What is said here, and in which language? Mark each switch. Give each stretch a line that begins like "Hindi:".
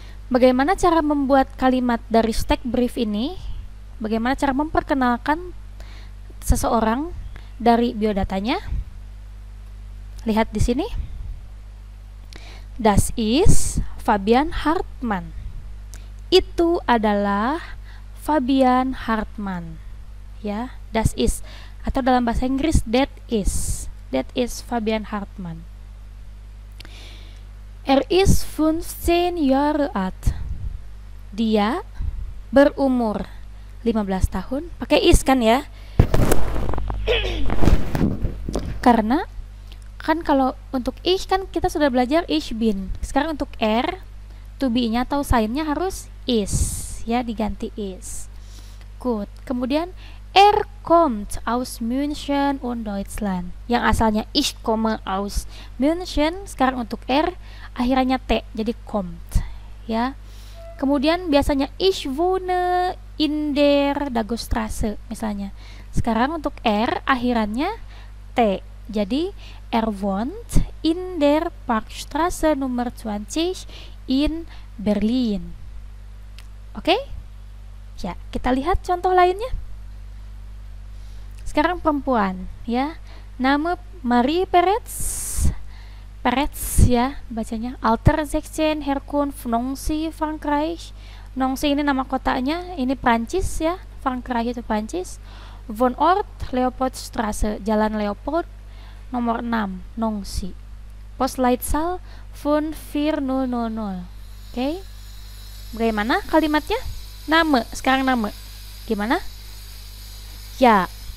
Indonesian: Bagaimana cara membuat kalimat dari stack brief ini? Bagaimana cara memperkenalkan seseorang dari biodatanya? Lihat di sini.
German: Das ist Fabian Hartmann.
Indonesian: Itu adalah Fabian Hartmann. Ya,
German: das ist,
Indonesian: atau dalam bahasa Inggris
English: that is. That is Fabian Hartmann.
German: Ist 15 Jahre alt.
Indonesian: Dia berumur 15 tahun. Pakai is kan ya? Karena kan kalau untuk ich kan kita sudah belajar ich bin. Sekarang untuk er, to be-nya atau sign-nya harus is ya, diganti is.
English: Good.
German: Kemudian kommt aus München und Deutschland.
Indonesian: Yang asalnya
German: ich komme aus München,
Indonesian: sekarang untuk er akhirnya t, jadi kommt ya. Kemudian biasanya
German: ich wohne in der Dagostrasse
Indonesian: misalnya. Sekarang untuk R akhirannya T.
German: Jadi er wohnt in der Parkstraße Nummer 20 in Berlin. Oke? Okay?
Indonesian: Ya, kita lihat contoh lainnya. Sekarang perempuan, ya. Nama Marie Peretz. Peretz ya bacanya.
German: Alter 16, Herkunft Nancy, Frankreich.
Indonesian: Nancy ini nama kotanya, ini Prancis ja. Frankreich itu Prancis. Wohnort Leopoldstraße, Jalan Leopold nomor 6, Nancy.
German: Postleitzahl 54000. Oke.
Indonesian: Bagaimana kalimatnya? Nama, sekarang nama. Gimana? Ya.